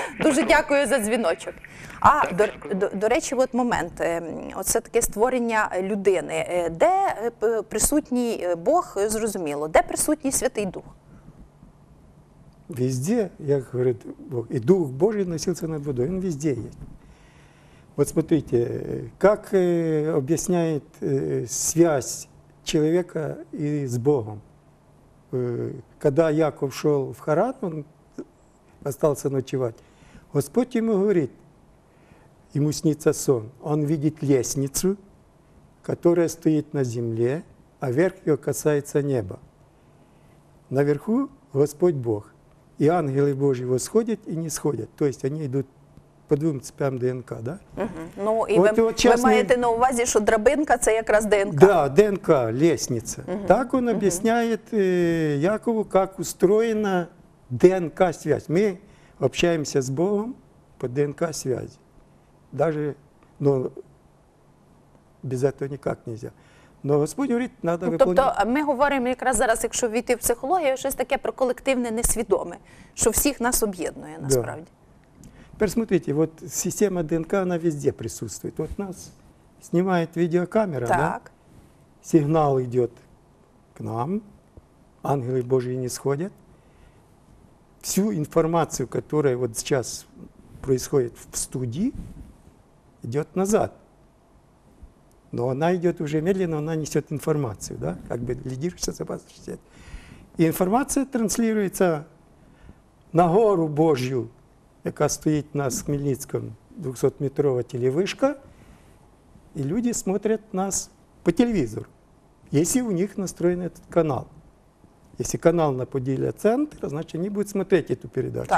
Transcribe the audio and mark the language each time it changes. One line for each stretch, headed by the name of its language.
Ukrainian: Дуже дякую за дзвіночок. А, до речі, от момент. Оце таке створення людини. Де присутній Бог, зрозуміло, де присутній Святий Дух? Везде, як говорить Бог, і Дух Божий носився над водою, він везде є.
Russian: Вот смотрите, как объясняет связь человека и с Богом. Когда Яков шел в Харан, он остался ночевать, Господь ему говорит, ему снится сон, он видит лестницу, которая стоит на земле, а верх ее касается неба. Наверху Господь Бог, и ангелы Божьи восходят и нисходят, то есть они идут по двум цепям ДНК, да? Угу.
Ukrainian: Ну, и вот, вы маєте на увазі, що драбинка – це якраз ДНК.
Russian: Да, ДНК, лестница. Угу. Так он объясняет Якову, как устроена ДНК-связь. Мы общаемся с Богом по ДНК-связи. Даже, но без этого никак нельзя. Но Господь говорит, надо выполнять.
Ukrainian: Тобто, ми говоримо якраз зараз, якщо війти в психологію, щось таке про колективне несвідоме, що всіх нас об'єднує насправді.
Russian: Да. Теперь смотрите, вот система ДНК, она везде присутствует. Вот нас снимает видеокамера, так. Да? Сигнал идет к нам, ангелы Божьи нисходят. Всю информацию, которая вот сейчас происходит в студии, идет назад. Но она идет уже медленно, она несет информацию, да? Как бы лидирующая запасность. И информация транслируется на гору Божью,
Ukrainian: яка стоїть на Хмельницькому, 200-метрова телевишка, і люди дивляться нас по телевізору, якщо у них настроєний цей канал. Якщо канал на Поділля Центр, значить вони будуть дивитися цю передачу.